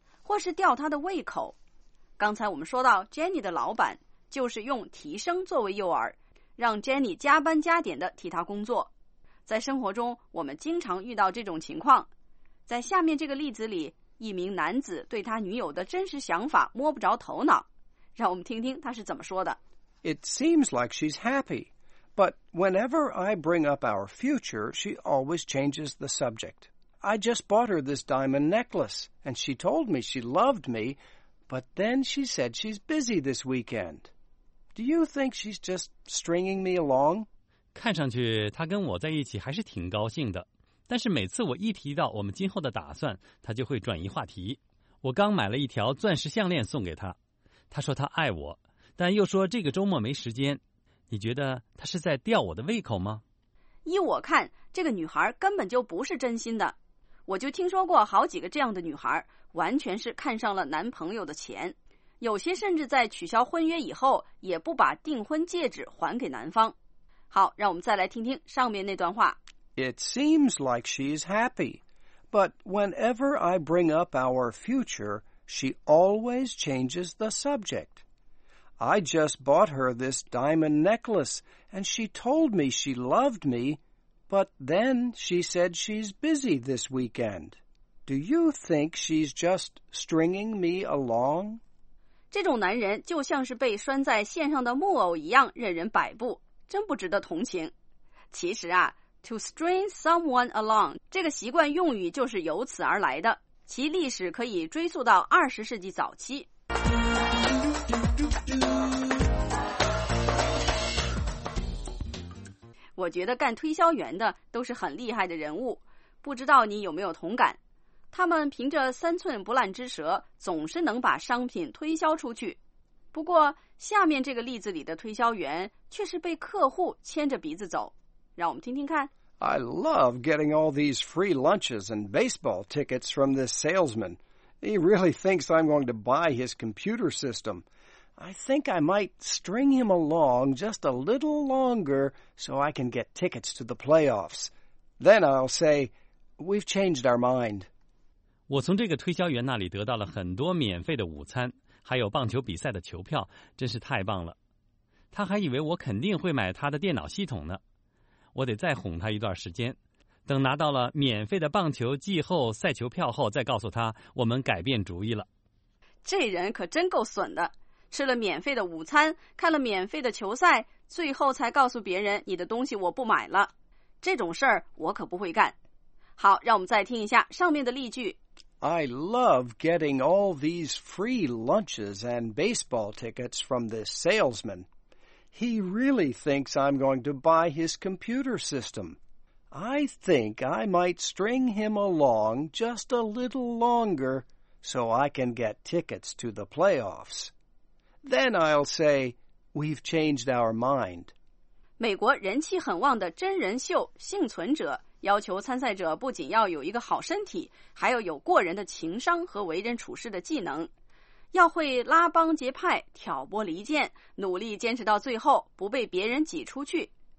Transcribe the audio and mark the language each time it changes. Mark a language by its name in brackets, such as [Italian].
[Chinese] 或是吊他的胃口。刚才我们说到 Jenny 的老板就是用提升作为诱饵，让 Jenny 加班加点的替他工作。在生活中我们经常遇到这种情况。在下面这个例子里，一名男子对他女友的真实想法摸不着头脑，让我们听听他是怎么说的。 [English] It seems like she's happy, but whenever I bring up our future, she always changes the subject. I just bought her this diamond necklace, and she told me she loved me, but then she said she's busy this weekend. Do you think she's just stringing me along? [Chinese] 看上去她跟我在一起还是挺高兴的，但是每次我一提到我们今后的打算，她就会转移话题。我刚买了一条钻石项链送给她，他说他爱我，但又说这个周末没时间。你觉得他是在吊我的胃口吗？依我看，这个女孩根本就不是真心的。我就听说过好几个这样的女孩，完全是看上了男朋友的钱。有些甚至在取消婚约以后，也不把订婚戒指还给男方。好，让我们再来听听上面那段话。 [English] It seems like she is happy, but whenever I bring up our future, she always changes the subject. I just bought her this diamond necklace, and she told me she loved me, but then she said she's busy this weekend. Do you think she's just stringing me along? [Chinese] 这种男人就像是被拴在线上的木偶一样任人摆布，真不值得同情。其实啊， [English] To string someone along [Chinese] 这个习惯用语就是由此而来的，其历史可以追溯到20世纪早期。我觉得干推销员的都是很厉害的人物，不知道你有没有同感？他们凭着三寸不烂之舌，总是能把商品推销出去。不过，下面这个例子里的推销员却是被客户牵着鼻子走。让我们听听看。 [English] I love getting all these free lunches and baseball tickets from this salesman. He really thinks I'm going to buy his computer system. I think I might string him along just a little longer so I can get tickets to the playoffs. Then I'll say, we've changed our mind. [Chinese] 我从这个推销员那里得到了很多免费的午餐，还有棒球比赛的球票，真是太棒了。他还以为我肯定会买他的电脑系统呢。我得再哄他一段时间，等拿到了免费的棒球季后赛球票后，再告诉他我们改变主意了。这人可真够损的，吃了免费的午餐，看了免费的球赛，最后才告诉别人你的东西我不买了。这种事儿我可不会干。好，让我们再听一下上面的例句。 [English] I love getting all these free lunches and baseball tickets from this salesman. He really thinks I'm going to buy his computer system. I think I might string him along just a little longer so I can get tickets to the playoffs. Then I'll say, we've changed our mind. [Chinese] 美国人气很旺的真人秀《幸存者》要求参赛者不仅要有一个好身体，还要有过人的情商和为人处事的技能。要会拉帮结派、挑拨离间，努力坚持到最后，不被别人挤出去。